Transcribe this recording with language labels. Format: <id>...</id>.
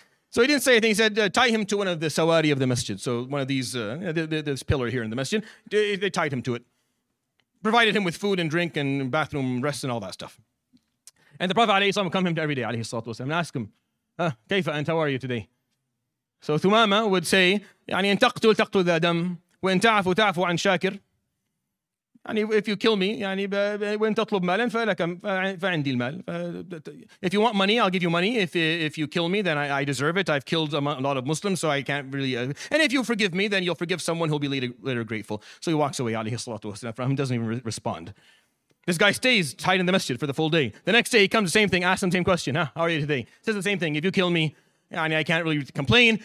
<en>So he didn't say anything. He said, tie him to one of the sawari of the masjid. So one of these, this pillar here in the masjid. They tied him to it. Provided him with food and drink and bathroom rest and all that stuff. And the Prophet ﷺ would come to him every day, alayhi salatu wasalam, and ask him,</en> <ar>kayfa anta,</ar> <en>how are you today? So Thumama would say,</en> <ar>يعني ان تقتل تقتل ذا دم وان تعفو تعفو عن شاكر. يعني</ar> <en>if you kill me,</en> <ar>يعني وان تطلب مالا فلك فعندي المال.</ar> <en>If you want money, I'll give you money. If you kill me, then I deserve it. I've killed a lot of Muslims, so I can't really... And if you forgive me, then you'll forgive someone who'll be later grateful. So he walks away, alayhi salatu wasalam, from him, doesn't even respond. This guy stays tied in the masjid for the full day. The next day he comes, the same thing, asks him the same question. Huh? How are you today? Says the same thing. If you kill me, I can't really complain.</en>